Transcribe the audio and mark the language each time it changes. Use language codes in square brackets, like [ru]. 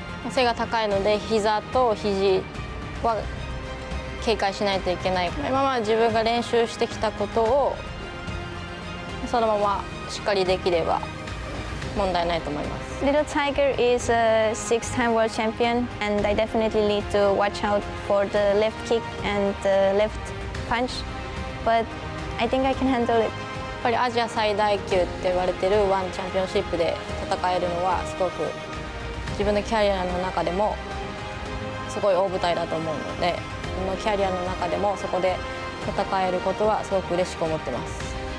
[ja] 背が高いので、膝と肘は警戒しないといけない。今まで自分が練習してきたことをそのまましっかりできれば問題ないと思います。 [en] Little Tiger is a six-time world champion, and I definitely need to watch out for the left kick and the left punch. But I think I can handle it. [ja] やっぱりアジア最大級って言われてるワンチャンピオンシップで戦えるのはすごく自分のキャリアの中でもすごい大舞台だと思うので、自分のキャリアの中でもそこで戦えることはすごく嬉しく思ってます。